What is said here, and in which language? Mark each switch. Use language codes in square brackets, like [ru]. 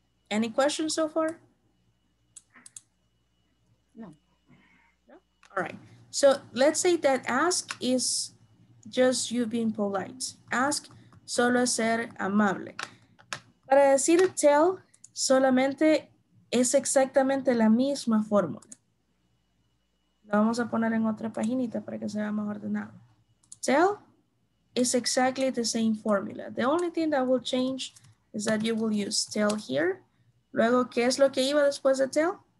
[en] Any questions so far? No. No? All right. So let's say that ask is just you being polite. [es] Ask, solo ser amable. Para decir tell, solamente es exactamente la misma fórmula. Vamos a poner en otra paginita para que se vea más ordenado. [en] Tell is exactly the same formula. The only thing that will change is that you will use tell here. [es] Luego, ¿qué es lo que iba después de tell?